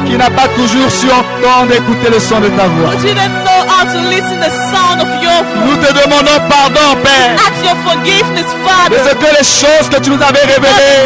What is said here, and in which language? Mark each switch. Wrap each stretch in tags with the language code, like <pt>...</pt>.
<fr>qui n'a pas toujours su entendre écouter le son de ta voix.</fr> <en>But you didn't know how to listen the sound of your voice.</en> <fr>Nous te demandons pardon, Père.</fr> <en>Ask your forgiveness, Father.</en> <fr>Parce que les choses que tu nous avais révélées.</fr>